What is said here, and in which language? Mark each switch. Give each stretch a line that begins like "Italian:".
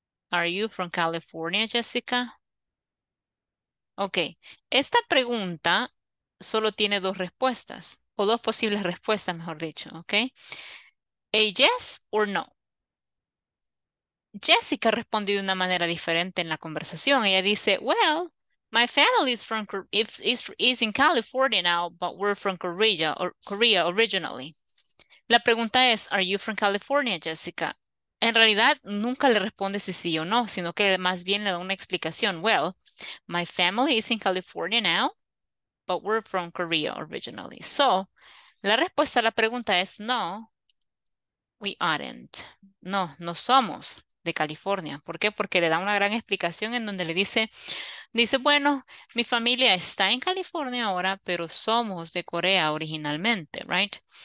English: Are you from California, Jessica? Ok.
Spanish: Esta pregunta solo tiene dos respuestas. O dos posibles respuestas, mejor dicho, ¿ok?
English: A yes or no.
Spanish: Jessica respondió de una manera diferente en la conversación. Ella dice,
English: well, my family is in California now, but we're from Korea originally.
Spanish: La pregunta es,
English: are you from California, Jessica?
Spanish: En realidad, nunca le responde si sí o no, sino que más bien le da una explicación.
English: Well, my family is in California now, but we're from Korea originally.
Spanish: So, la respuesta a la pregunta es no,
English: we aren't.
Spanish: No, no somos de California. ¿Por qué? Porque le da una gran explicación en donde le dice, bueno, mi familia está en California ahora, pero somos de Corea originalmente, right?